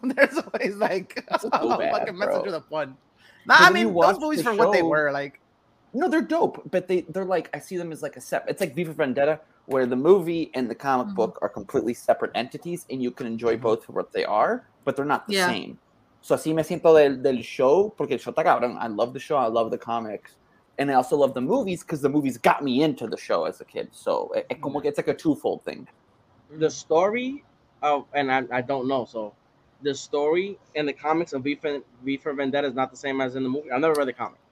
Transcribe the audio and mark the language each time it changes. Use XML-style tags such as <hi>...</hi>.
<en>There's always, like, fucking messenger the pun. Those movies for what they were, like. No, they're dope, but they're like, I see them as like a set. It's like Viva Vendetta, where the movie and the comic book are completely separate entities, and you can enjoy both for what they are, but they're not the same.</en> <es>So así me siento del show, porque el show está cabrón.</es> <en>I love the show, I love the comics, and I also love the movies, because the movies got me into the show as a kid. So it's like a twofold thing. The story, I don't know, so the story in the comics of Viva Vendetta is not the same as in the movie. I've never read the comic.</en>